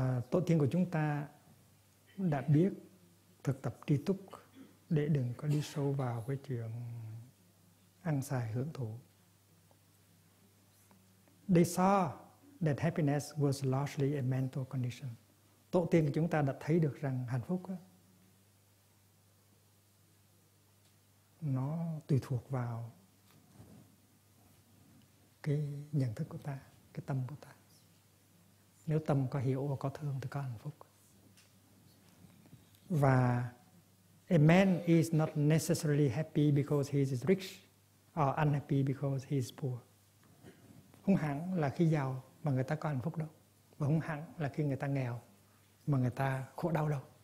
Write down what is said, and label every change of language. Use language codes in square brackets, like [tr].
[vi] Tổ tiên của chúng ta đã biết thực tập tri túc để đừng có đi sâu vào cái chuyện ăn xài hưởng thụ. [en] They saw that happiness was largely a mental condition. [vi] Tổ tiên của chúng ta đã thấy được rằng hạnh phúc nó tùy thuộc vào cái nhận thức của ta, cái tâm của ta. Nếu tâm có hiểu và có thương thì có hạnh phúc. [en] Và a man is not necessarily happy because he is rich or unhappy because he is poor. [vi] Không hẳn là khi giàu mà người ta có hạnh phúc đâu. Và không hẳn là khi người ta nghèo mà người ta khổ đau đâu.